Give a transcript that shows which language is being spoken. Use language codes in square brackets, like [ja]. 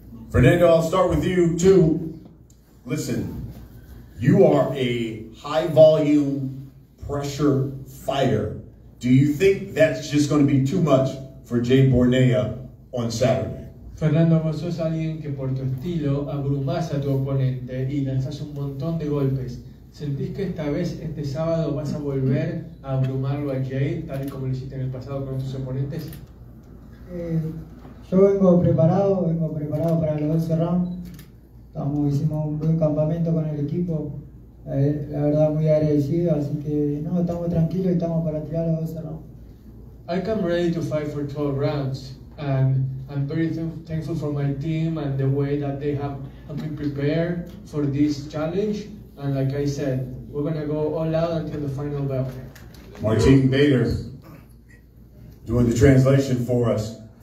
[en] Fernando, I'll start with you too. Listen, you are a high volume pressure fighter. Do you think that's just going to be too much for Jade Bornea on Saturday? [es] Fernando, vos sos alguien que por tu estilo abrumas a tu oponente y lanzas un montón de golpes. ¿Sentís que esta vez, este sábado, vas a volver a abrumarlo a Jade, tal y como lo hiciste en el pasado con tus oponentes? Yo vengo preparado para los 11 rounds. Hicimos un buen campamento con el equipo. La verdad, muy agradecido, así que no, estamos tranquilos y estamos para tirar los 12 rounds. [en] I come ready to fight for 12 rounds. And I'm very thankful for my team and the way that they have been prepared for this challenge. And like I said, we're going to go all out until the final bell. Martin Bader doing the translation for us.